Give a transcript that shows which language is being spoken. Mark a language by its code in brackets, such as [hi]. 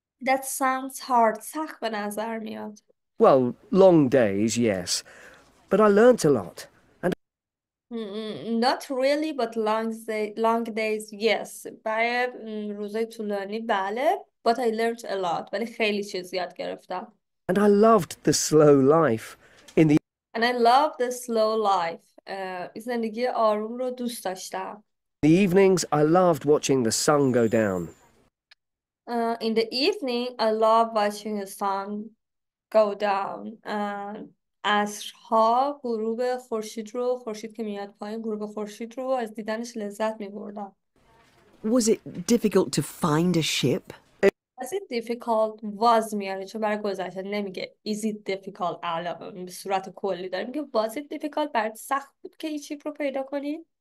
[en] that sounds hard. [fa] سخت به نظر میاد. [en] Well, long days, yes. But I learnt a lot. Not really, but long days, yes. [fa] برای روزای طولانی بله, [en] but I learned a lot. [fa] ولی خیلی چیز یاد گرفتم. [en] And I loved the slow life in the And I loved the slow life. [fa] زندگی آروم رو دوست داشتم. [en] The evenings I loved watching the sun go down. In the evening I loved watching the sun go down. [fa] عصرها غروب خورشید رو، خورشید که میاد پایین، غروب خورشید رو از دیدنش لذت می‌بردم. [en] Was it difficult to find a ship? Was it difficult? [fa] Was میاره چون برای گذشته نمیگه [en] is it difficult [fa] الان به صورت کلی داره میگه [en] was it difficult [fa] برای سخت بود که این شیپ رو پیدا کنی؟